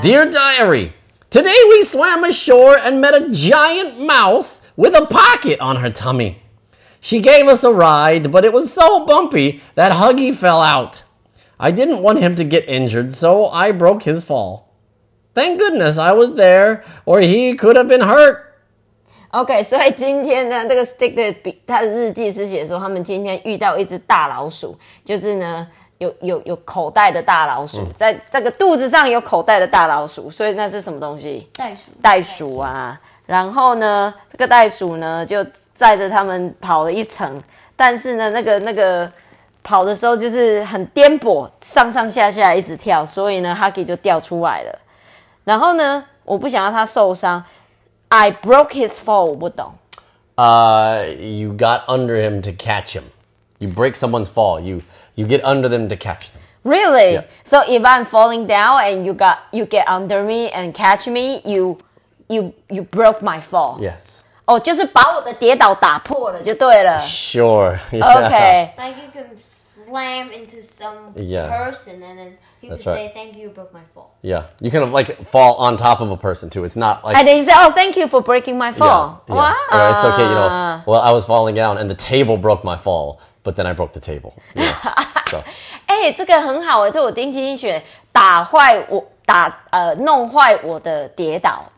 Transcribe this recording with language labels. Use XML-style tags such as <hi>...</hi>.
<en>Dear Diary, today we swam ashore and met a giant mouse with a pocket on her tummy. She gave us a ride, but it was so bumpy that Huggie fell out. I didn't want him to get injured, so I broke his fall. Thank goodness I was there, or he could have been hurt.</en> <zh>OK, 所以今天呢，这个 Stick 的他的日记是写说，他们今天遇到一只大老鼠，就是呢有口袋的大老鼠，在这个肚子上有口袋的大老鼠，所以那是什么东西？袋鼠。袋鼠啊，然后呢，这个袋鼠呢就载着他们跑了一程，但是呢，那个跑的时候就是很颠簸，上上下下一直跳，所以呢 ，Huggie 就掉出来了。然后呢，我不想要他受伤。</zh> <en>I broke his fall,</en> <zh>我不懂。</zh> <en>You got under him to catch him. You break someone's fall, you get under them to catch them. Really?、Yeah. So if I'm falling down and you get under me and catch me, you broke my fall. Yes.</en> <zh>哦，就是把我的跌倒打破了就对了。</zh> <en>Sure.、 Yeah. Okay. Like you can slam into some、yeah. person and then... You can、right. say, thank you, you broke my fall. Yeah. You can, like, fall on top of a person, too. It's not like... And then you say, oh, thank you for breaking my fall. Yeah, yeah. Wow. It's okay, you know. Well, I was falling down, and the table broke my fall, but then I broke the table. Yeah.</en> <zh>So. 欸,这个很好耶,这我定期一学。打坏我,打,弄坏我的跌倒。</zh>